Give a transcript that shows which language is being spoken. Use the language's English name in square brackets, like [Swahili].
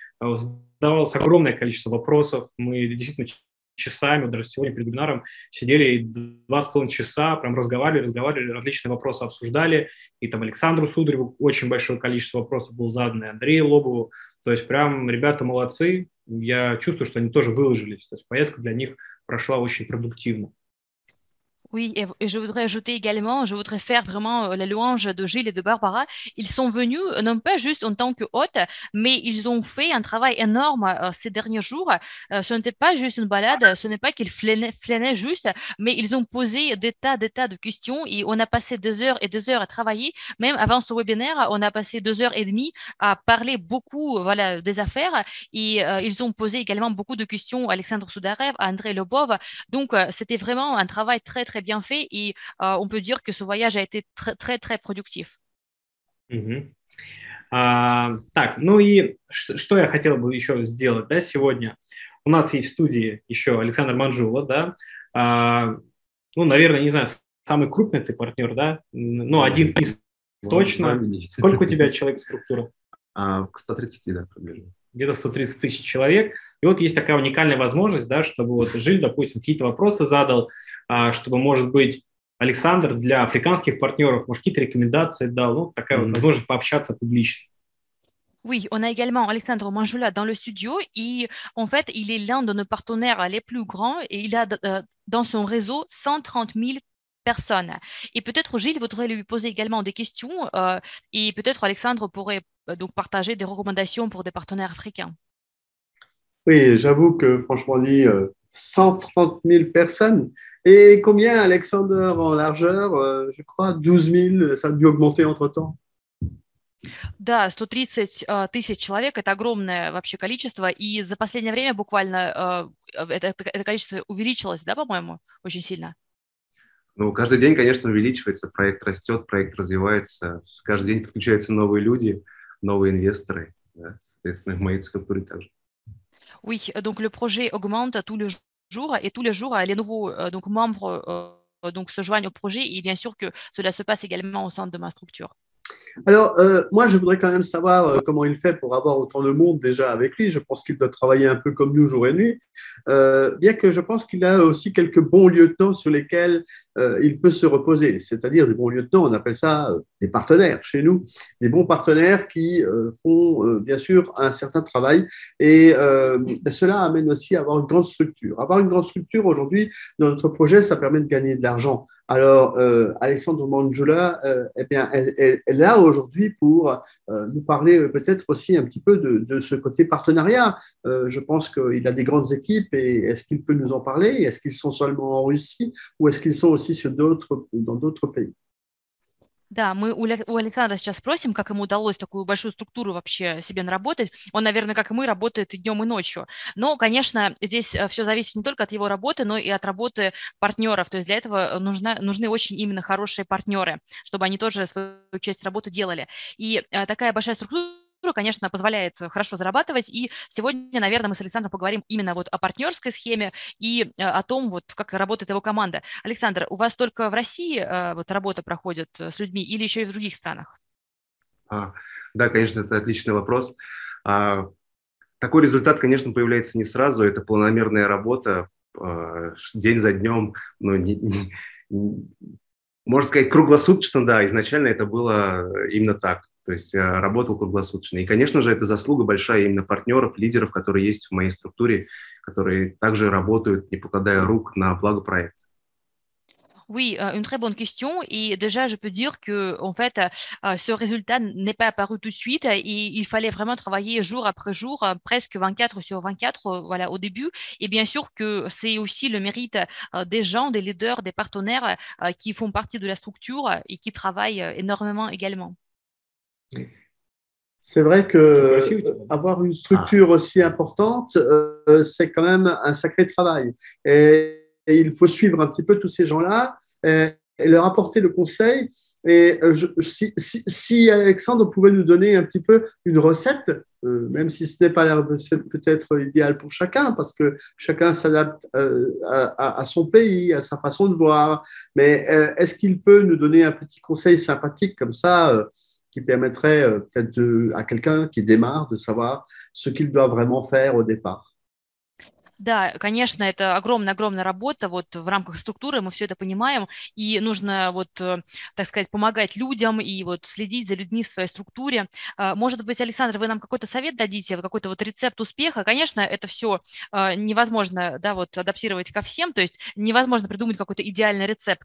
[Russian] Задавалось огромное количество вопросов. Мы действительно часами, вот даже сегодня перед вебинаром, сидели 2,5 часа, прям разговаривали, различные вопросы обсуждали. И там Александру Судареву очень большое количество вопросов было задано, и Андрею Лобову. То есть прям ребята молодцы. Я чувствую, что они тоже выложились. То есть поездка для них прошла очень продуктивно. [French] Oui, et je voudrais ajouter également, je voudrais faire vraiment la louange de Gilles et de Barbara. Ils sont venus, non pas juste en tant qu'hôtes, mais ils ont fait un travail énorme ces derniers jours. Ce n'était pas juste une balade, ce n'est pas qu'ils flânaient juste, mais ils ont posé des tas de questions et on a passé 2 heures et 2 heures à travailler. Même avant ce webinaire, on a passé 2 heures et demie à parler beaucoup voilà, des affaires et ils ont posé également beaucoup de questions à Alexandre Sudarev, à André Lobov. Donc, c'était vraiment un travail très très bien fait et on peut dire que ce voyage a été très très très productif. [Russian] Так, ну и что я хотел бы еще сделать, да, сегодня у нас есть в студии еще Александр Манжула, да, ну, наверное, не знаю, самый крупный ты партнер, да, ну, один из точно. Сколько у тебя человек структура? К 130, да, приблизительно. Где-то 130 тысяч человек. И вот есть такая уникальная возможность, да, чтобы вот Жиль, допустим, какие-то вопросы задал, чтобы, может быть, Александр для африканских партнеров, может, какие-то рекомендации дал, ну, такая вот возможность пообщаться публично. [French] Oui, on a également Alexandre Manjula dans le studio et en fait, il est l'un de nos partenaires les plus grands et il a dans son réseau 130 000 personnes. Et peut-être, Gilles, vous voudriez lui poser également des questions et peut-être Alexandre pourrait donc partager des recommandations pour des partenaires africains. Oui, j'avoue que franchement, dit 130 000 personnes. Et combien, Alexandre, en largeur? Je crois 12 000, ça a dû augmenter entre-temps. [Russian] Да, 130 тысяч человек – это огромное вообще количество, и за последнее время буквально это количество увеличилось, да, по-моему, очень сильно? Ну, каждый день, конечно, увеличивается, проект растет, проект развивается. Каждый день подключаются новые люди, новые инвесторы, да? Соответственно, в моей структуре также. [French] Oui, donc le projet augmente tous les jours, et tous les jours, les nouveaux donc, membres donc, se joignent au projet, et bien sûr que cela se passe également au sein de ma structure. Alors, moi, je voudrais quand même savoir comment il fait pour avoir autant de monde déjà avec lui. Je pense qu'il doit travailler un peu comme nous, jour et nuit, bien que je pense qu'il a aussi quelques bons lieutenants sur lesquels il peut se reposer, c'est-à-dire des bons lieutenants, on appelle ça des partenaires chez nous, des bons partenaires qui font, bien sûr, un certain travail. Et cela amène aussi à avoir une grande structure. Avoir une grande structure aujourd'hui dans notre projet, ça permet de gagner de l'argent. Alors, Alexandre Manjula, eh bien, elle est là aujourd'hui pour nous parler peut-être aussi un petit peu de ce côté partenariat. Je pense qu'il a des grandes équipes et est-ce qu'il peut nous en parler? Est-ce qu'ils sont seulement en Russie ou est-ce qu'ils sont aussi dans d'autres pays? [Russian] Да, мы у Александра сейчас спросим, как ему удалось такую большую структуру вообще себе наработать. Он, наверное, как и мы, работает и днем, и ночью. Но, конечно, здесь все зависит не только от его работы, но и от работы партнеров. То есть для этого нужны очень именно хорошие партнеры, чтобы они тоже свою часть работы делали. И такая большая структура, конечно, позволяет хорошо зарабатывать. И сегодня, наверное, мы с Александром поговорим именно вот о партнерской схеме и о том, вот как работает его команда. Александр, у вас только в России вот работа проходит с людьми или еще и в других странах? Да, конечно, это отличный вопрос. Такой результат, конечно, появляется не сразу. Это планомерная работа день за днем, но не можно сказать, круглосуточно, да, изначально это было именно так. То есть работал круглосуточно. И, конечно же, это заслуга большая именно партнеров, лидеров, которые есть в моей структуре, которые также работают, не покладая рук, на благо проекта. [French] Oui, une très bonne question. Et déjà, je peux dire que, en fait, ce résultat n'est pas apparu tout de suite. Et il fallait vraiment travailler jour après jour, presque 24 sur 24, voilà, au début. Et bien sûr que c'est aussi le mérite des gens, des leaders, des partenaires qui font partie de la structure et qui travaillent énormément également. C'est vrai que avoir une structure aussi importante, c'est quand même un sacré travail. Et il faut suivre un petit peu tous ces gens-là et leur apporter le conseil. Et si Alexandre pouvait nous donner un petit peu une recette, même si ce n'est pas la recette peut-être idéale pour chacun, parce que chacun s'adapte à son pays, à sa façon de voir. Mais est-ce qu'il peut nous donner un petit conseil sympathique comme ça qui permettrait peut-être à quelqu'un qui démarre de savoir ce qu'il doit vraiment faire au départ? [Russian] Да, конечно, это огромная-огромная работа вот в рамках структуры, мы все это понимаем, и нужно вот, так сказать, помогать людям и вот следить за людьми в своей структуре. Может быть, Александр, вы нам какой-то совет дадите, какой-то вот рецепт успеха? Конечно, это все невозможно, да, вот адаптировать ко всем, то есть невозможно придумать какой-то идеальный рецепт.